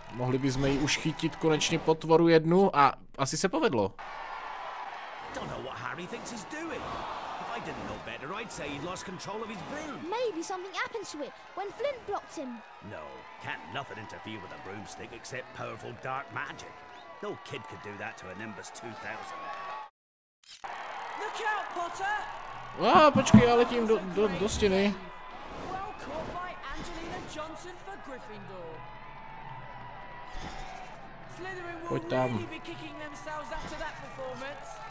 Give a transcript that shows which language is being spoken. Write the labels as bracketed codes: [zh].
[cs] Mohli bychom ji už chytit konečně potvoru jednu a asi se povedlo. [en] Don't know what Harry thinks he's doing. If I didn't know better, I'd say he'd lost control of his broom. Maybe something happened to it when Flint blocked him. No, can't nothing interfere with a broomstick except powerful dark magic. No kid could do that to a Nimbus 2000. Look out, Potter! [cs] Počkej, já letím do stěny. [en] Well caught by Angelina Johnson for Gryffindor. Slytherin will really be kicking themselves after that performance.